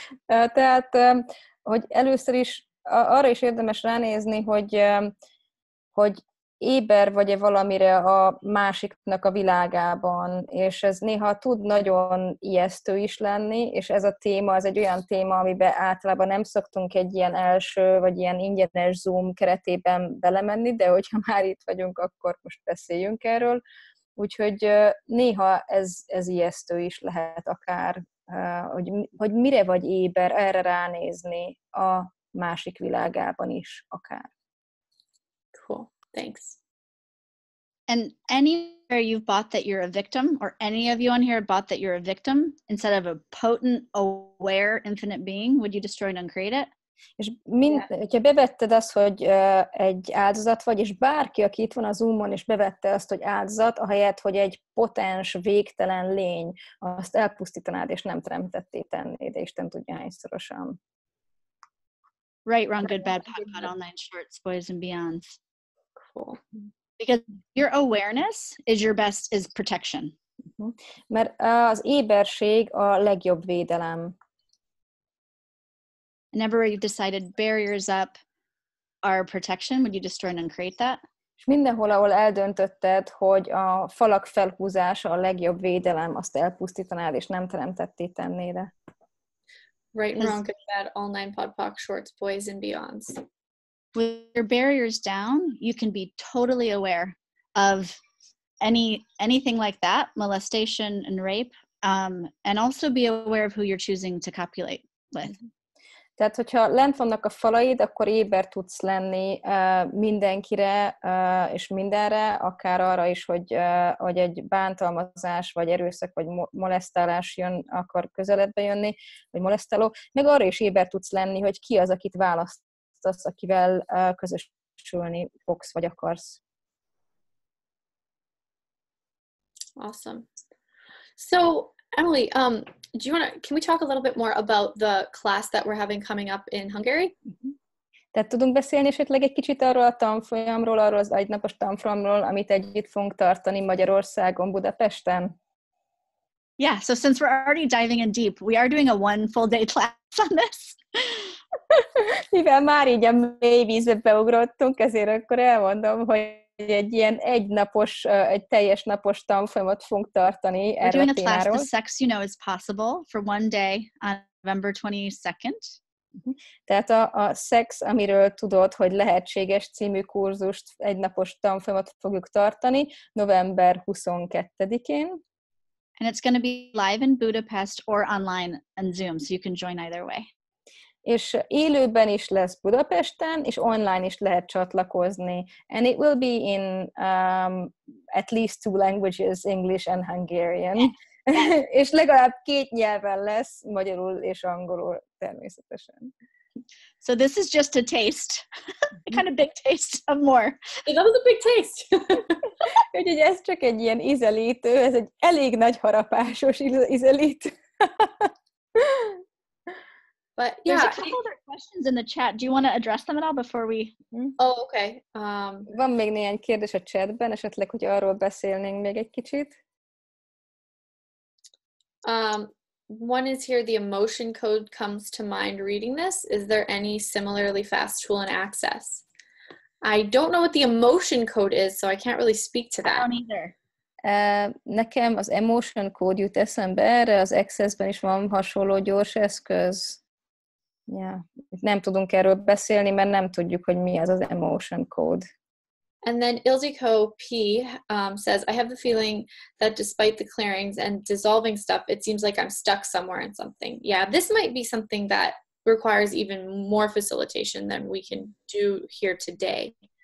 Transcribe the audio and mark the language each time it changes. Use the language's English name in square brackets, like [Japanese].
[Hungarian] Tehát, hogy először is arra is érdemes ránézni, hogy éber vagy-e valamire a másiknak a világában, és ez néha tud nagyon ijesztő is lenni, és ez a téma, ez egy olyan téma, amiben általában nem szoktunk egy ilyen első, vagy ilyen ingyenes Zoom keretében belemenni, de hogyha már itt vagyunk, akkor most beszéljünk erről. Úgyhogy néha ez ijesztő is lehet akár, hogy mire vagy éber erre ránézni a másik világában is akár. [English] Cool. Thanks. And anywhere you've bought that you're a victim, or any of you on here bought that you're a victim, instead of a potent, aware, infinite being, would you destroy and uncreate it? [Hungarian] És hogyha bevetted azt, hogy egy áldozat vagy, és bárki, aki itt van a Zoom-on, és bevette azt, hogy áldozat, ahelyett, hogy egy potens, végtelen lény, azt elpusztítanád, és nem teremtetté tennéd, de Isten tudja hányszorosan. [English] Right, wrong, good, bad, pot, pot, all nine shorts, boys and beyonds. Cool. Because your awareness is your best is protection. [Hungarian] Mert az éberség a legjobb védelem. [English] And everywhere you've decided barriers up are protection, would you destroy and uncreate that? [Hungarian] És mindenhol, ahol eldöntötted, hogy a falak felhúzása a legjobb védelem, azt elpusztítanád, és nem teremtetté tennéd. [English] Right and wrong, good, bad, all nine podpock shorts, boys and beyonds. With your barriers down, you can be totally aware of anything like that, molestation and rape, and also be aware of who you're choosing to copulate with. [Hungarian] Tehát, hogyha lent vannak a falaid, akkor éber tudsz lenni mindenkire és mindenre, akár arra is, hogy egy bántalmazás, vagy erőszak, vagy molesztálás jön, akar közeledbe jönni, vagy molesztáló, meg arra is éber tudsz lenni, hogy ki az, akit választ. Az, akivel közösülni fogsz, vagy akarsz. [English] Awesome. So, Emily, do you want to, can we talk a little bit more about the class that we're having coming up in Hungary? [Hungarian] Tehát tudunk beszélni esetleg egy kicsit arról a tanfolyamról, arról az egynapos tanfolyamról, amit együtt fogunk tartani Magyarországon, Budapesten? [English] Yeah, so since we're already diving in deep, we are doing a one full day class on this. [Hungarian] Mivel már így a mély vízbe beugrottunk, ezért akkor elmondom, hogy egy ilyen egynapos, egy teljes napos tanfolyamot fogunk tartani erről a témáról. [English] We're doing a class, The Sex You Know Is Possible, for one day on November 22nd. [Hungarian] Tehát a Sex, amiről tudod, hogy lehetséges című kurzust, egynapos tanfolyamot fogjuk tartani november 22-én. [English] And it's going to be live in Budapest or online on Zoom, so you can join either way. [Hungarian] És élőben is lesz Budapesten, és online is lehet csatlakozni. [English] And it will be in at least two languages, English and Hungarian. [Hungarian] És legalább két nyelven lesz, magyarul és angolul természetesen. [English] So this is just a taste, a kind of big taste of more. Yeah, that was a big taste. [Hungarian] Úgyhogy ez csak egy ilyen ízelítő, ez egy elég nagy harapásos ízelítő. [English] But yeah, there's a couple other questions in the chat. Do you want to address them at all before we... Oh, okay. [Hungarian] Van még néhány kérdés a chatben, esetleg, hogy arról beszélnénk még egy kicsit. [English] One is here, the emotion code comes to mind reading this. Is there any similarly fast tool in Access? I don't know what the emotion code is, so I can't really speak to that. I don't either. [Hungarian] Nekem az emotion code jut eszembe erre, az Access-ben is van hasonló gyors eszköz. [English] Yeah. [Hungarian] Nem tudunk erről beszélni, mert nem tudjuk, hogy mi az az emotion code. [English] And then Ildiko P says, I have the feeling that despite the clearings and dissolving stuff, it seems like I'm stuck somewhere in something. Yeah, this might be something that requires even more facilitation than we can do here today.